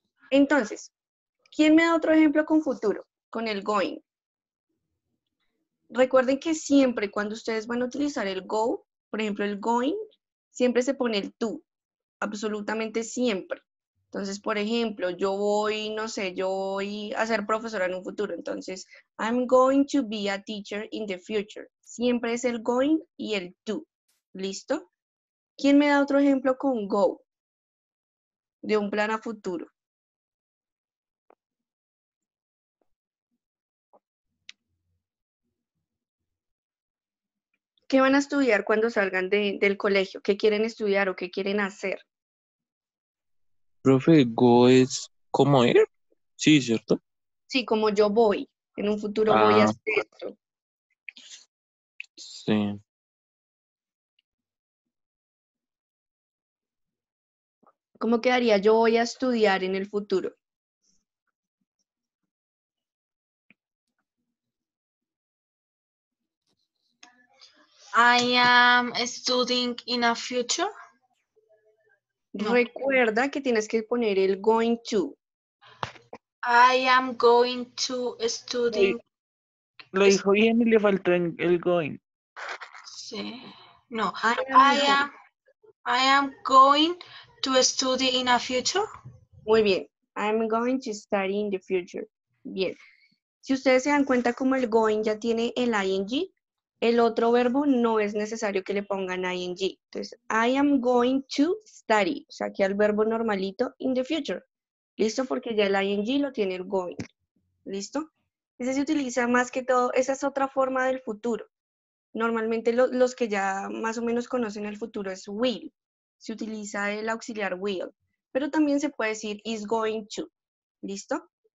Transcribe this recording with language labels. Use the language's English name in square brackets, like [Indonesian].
[Spanish] Entonces, ¿quién me da otro ejemplo con futuro? Con el going. Recuerden que siempre cuando ustedes van a utilizar el go, por ejemplo, el going, siempre se pone el tú, absolutamente siempre. Entonces, por ejemplo, yo voy, no sé, yo voy a ser profesora en un futuro. Entonces, [English] I'm going to be a teacher in the future. [Spanish] Siempre es el going y el tú. ¿Listo? ¿Quién me da otro ejemplo con go? De un plan a futuro. ¿Qué van a estudiar cuando salgan del colegio? ¿Qué quieren estudiar o qué quieren hacer? Profe, go es como ir. Sí, ¿cierto? Sí, como yo voy. En un futuro voy a hacer esto. Sí. ¿Cómo quedaría? Yo voy a estudiar en el futuro. [English] I am studying in a future. [Spanish] No. Recuerda que tienes que poner el going to. [English] I am going to study. [Spanish] Lo dijo bien y le faltó el going. Sí. No. [English] I am going to study in a future. [Spanish] Muy bien. [English] I am going to study in the future. [Spanish] Bien. Si ustedes se dan cuenta como el going ya tiene el ing, el otro verbo no es necesario que le pongan ing. Entonces, [English] I am going to study. [Spanish] O sea, aquí al verbo normalito, [English] in the future. [Spanish] ¿Listo? Porque ya el ing lo tiene el going. ¿Listo? Ese se utiliza más que todo. Esa es otra forma del futuro. Normalmente los que ya más o menos conocen el futuro es will. Se utiliza el auxiliar will. Pero también se puede decir is going to. ¿Listo?